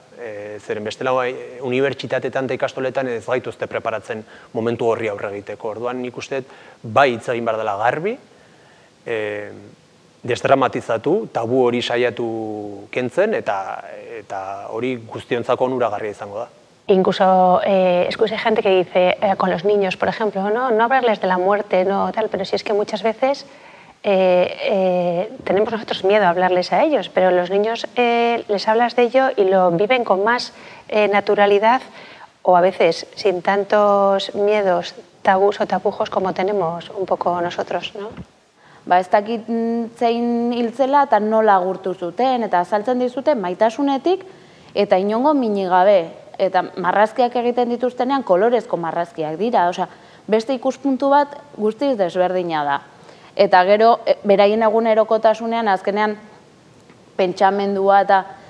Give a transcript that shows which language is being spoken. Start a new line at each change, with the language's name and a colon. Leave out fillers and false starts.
Basque: Zeren bestela, unibertsitateetan eta ikastoletan ez gaituzte preparatzen momentu horri aurre egiteko. Orduan nik uste dut, bai hitz egin behar dela garbi, desdramatizatu, tabu hori saiatu kentzen, eta hori guztiontzako onuragarria izango da.
Spanish: Incluso escuché gente que dice, con los niños, por ejemplo, no hablarles de la muerte, no tal, pero si es que muchas veces tenemos nosotros miedo a hablarles a ellos, pero los niños les hablas de ello y lo viven con más naturalidad o a veces sin tantos miedos, tabús o tapujos como tenemos un poco nosotros, ¿no?
Basque: Ba, ez dakit zein hiltzela eta nola agurtu zuten eta azaltzen dizute maitasunetik eta inongo minik gabe. Eta marrazkiak egiten dituztenean kolorezko marrazkiak dira. Osea, beste ikuspuntu bat guztiz desberdina da. Eta gero, beraien egunerokotasunean azkenean pentsamendua eta